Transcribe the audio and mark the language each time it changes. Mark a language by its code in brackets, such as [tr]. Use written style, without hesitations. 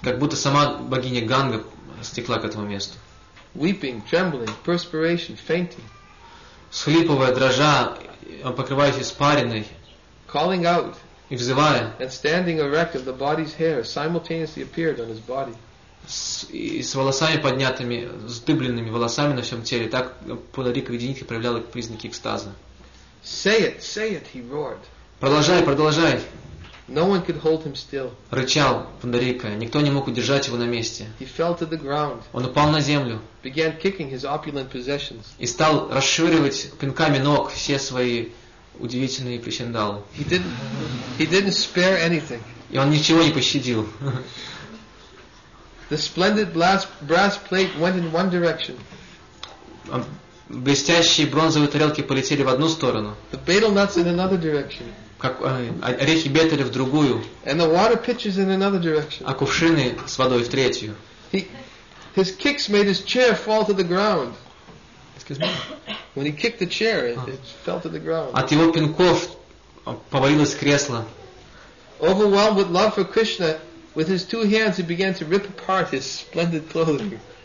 [ru] Как будто сама богиня Ганга стекла к этому месту. [en] Weeping, trembling, perspiration, fainting. [ru] Схлипывая, дрожа, покрываясь испариной. [en] Calling out. [ru] И взывая. [en] And standing erect of the body's hair simultaneously appeared on his body. [ru] С волосами поднятыми, с дыбленными волосами на всем теле, так Пундарика Видьяниди проявляла признаки экстаза. [en] Say it, he roared. [ru] Продолжай, продолжай. [en] No one could hold him still. [ru] Рычал Пундарика, никто не мог удержать его на месте. [en] He fell to the ground. [ru] Он упал на землю. [en] Began kicking his opulent possessions. [ru] И стал расшвыривать пинками ног все свои удивительные причиндалы. [en] He didn't spare anything. [ru] И он ничего не пощадил. [en] The splendid brass plate went in one direction. [ru] Блестящие бронзовые тарелки полетели в одну сторону. [en] The betel nuts in another direction. [ru] Как орехи бетеля в другую. [en] And the water pitchers in another direction. [ru] А кувшины с водой в третью. [en] His kicks made his chair fall to the ground. Excuse me. When he kicked the chair, it fell to the ground. [ru] От его пинков повалилось кресло. [en] Overwhelmed with love for Krishna, with his two hands he began to rip apart his splendid clothing.